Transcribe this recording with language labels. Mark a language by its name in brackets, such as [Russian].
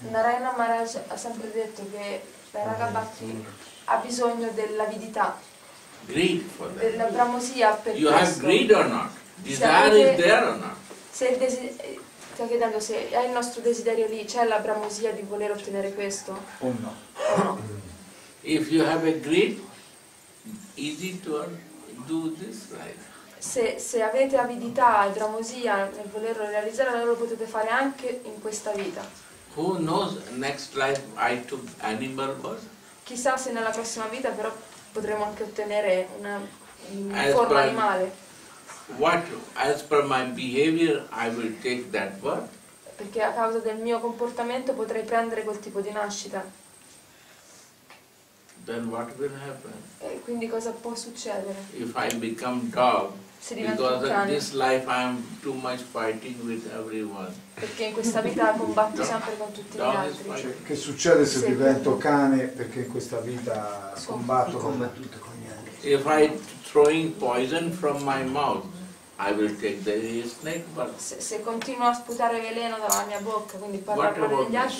[Italian] Narayana Maharaj ha sempre detto che la raga bhakti ha bisogno dell'avidità. [English] Greed for that. [Italian] Della bramosia per [English] you [Italian] questo. [English] You have greed or not? Desire is there or not? [Italian] Se il sto chiedendo se hai il nostro desiderio lì, c'è la bramosia di voler ottenere questo? O no. [English] If you have a greed, easy to do this right. [Italian] Se avete avidità e bramosia nel volerlo realizzare, allora lo potete fare anche in questa vita. [English] Who knows next life I took animal birth? [Italian] Chissà se nella prossima vita però potremo anche ottenere una forma animale. [English] What as per my behavior I will take that birth? [Italian] Perché a causa del mio comportamento potrei prendere quel tipo di nascita. [English] Then what will happen? [Italian] E quindi cosa può succedere? [English] If I become dog. Because in this life I am too much fighting with everyone. [Italian] Perché in questa vita combatto sempre con tutti gli altri. Che succede se divento cane? Perché in questa vita combatto con tutti con gli altri. [English] If I throwing poison from my mouth, I will take the snake birth. [Italian] Se continuo a sputare veleno dalla mia bocca, quindi parlo con gli altri.